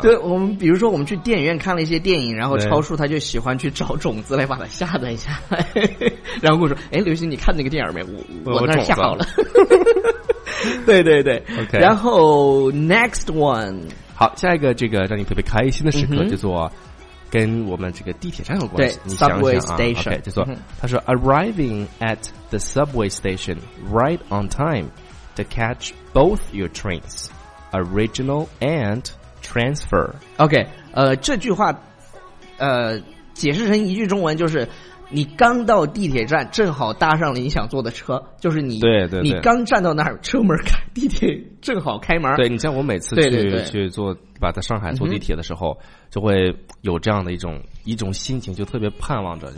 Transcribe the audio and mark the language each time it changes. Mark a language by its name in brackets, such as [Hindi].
[Chinese] 对，我们比如说我们去电影院看了一些电影，然后超叔他就喜欢去找种子来把它下载下来，然后我说：“哎，刘星，你看那个电影没？我那儿下好了。” 对对对，OK。然后 [English] next one， [Chinese] 好，下一个这个让你特别开心的时刻叫做。跟我们这个地铁站有关系，对，你想想啊 ，Subway Station， [English] okay, [Chinese] 就说他说 [English] arriving at the subway station right on time to catch both your trains, original and transfer. [Chinese] OK， 这句话，解释成一句中文就是，你刚到地铁站，正好搭上了你想坐的车，就是你，对对对，你刚站到那儿，车门开，地铁正好开门。对，你像我每次去对对对去坐，把在上海坐地铁的时候，嗯、就会有这样的一种心情，就特别盼望着。